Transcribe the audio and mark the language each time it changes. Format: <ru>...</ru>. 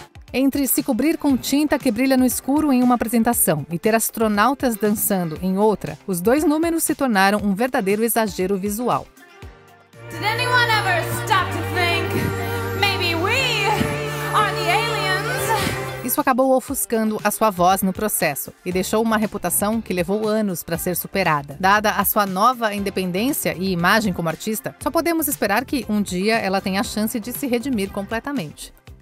<pt>Entre se cobrir com tinta que brilha no escuro em uma apresentação e ter astronautas dançando em outra, os dois números se tornaram um verdadeiro exagero visual.</pt> <en>Did anyone ever stop to think maybe we are the aliens?</en> <pt>Isso acabou ofuscando a sua voz no processo e deixou uma reputação que levou anos para ser superada. Dada a sua nova independência e imagem como artista, só podemos esperar que um dia ela tenha a chance de se redimir completamente.</pt>